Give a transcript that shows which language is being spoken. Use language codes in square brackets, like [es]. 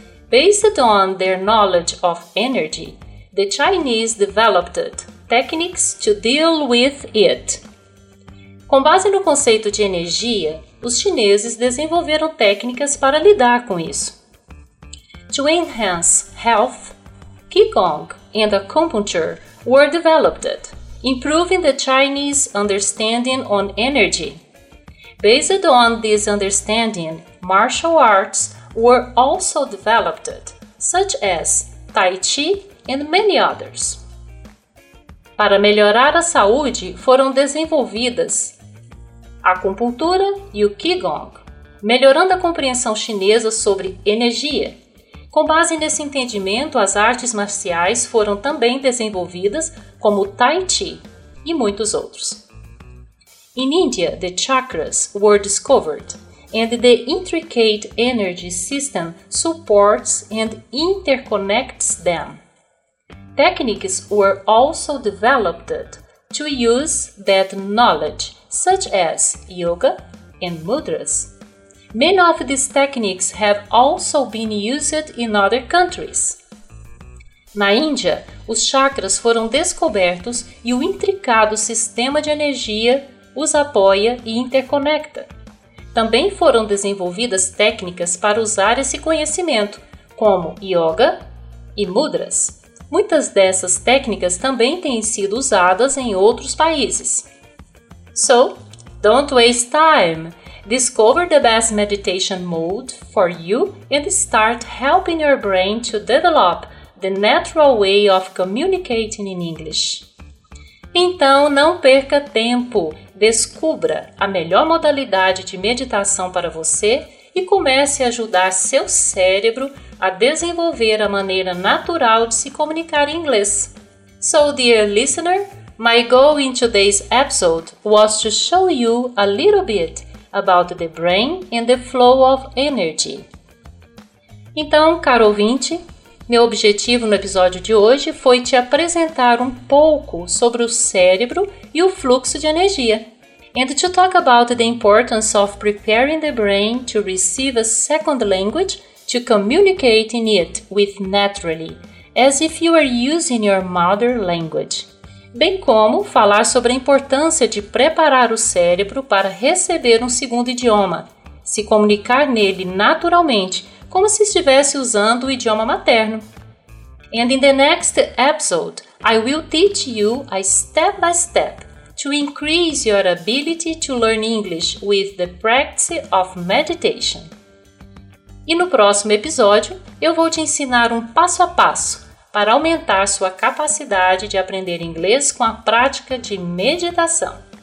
[en] Based on their knowledge of energy, the Chinese developed techniques to deal with it. [pt] Com base no conceito de energia, os chineses desenvolveram técnicas para lidar com isso. [en] To enhance health, qigong and acupuncture were developed, improving the Chinese understanding on energy. Based on this understanding, martial arts were also developed, such as Tai Chi and many others. [pt] Para melhorar a saúde, foram desenvolvidas a acupuntura e o Qigong, melhorando a compreensão chinesa sobre energia. Com base nesse entendimento, as artes marciais foram também desenvolvidas, como Tai Chi e muitos outros. [en] In India, the chakras were discovered, and the intricate energy system supports and interconnects them. Techniques were also developed to use that knowledge, such as yoga and mudras. Many of these techniques have also been used in other countries. [pt] Na Índia, os chakras foram descobertos e o intricado sistema de energia os apoia e interconecta. Também foram desenvolvidas técnicas para usar esse conhecimento, como yoga e mudras. Muitas dessas técnicas também têm sido usadas em outros países. [en] So, don't waste time. Discover the best meditation mode for you and start helping your brain to develop the natural way of communicating in English. [pt] Então, não perca tempo. Descubra a melhor modalidade de meditação para você e comece a ajudar seu cérebro a desenvolver a maneira natural de se comunicar em inglês. [en] So, dear listener, my goal in today's episode was to show you a little bit about the brain and the flow of energy. [pt] Então, caro ouvinte, meu objetivo no episódio de hoje foi te apresentar um pouco sobre o cérebro e o fluxo de energia. [en] And to talk about the importance of preparing the brain to receive a second language to communicate in it with naturally, as if you are using your mother language. [pt] Bem como falar sobre a importância de preparar o cérebro para receber um segundo idioma, se comunicar nele naturalmente, como se estivesse usando o idioma materno. [en] And in the next episode, I will teach you a step by step to increase your ability to learn English with the practice of meditation. [pt] E no próximo episódio, eu vou te ensinar um passo a passo para aumentar sua capacidade de aprender inglês com a prática de meditação.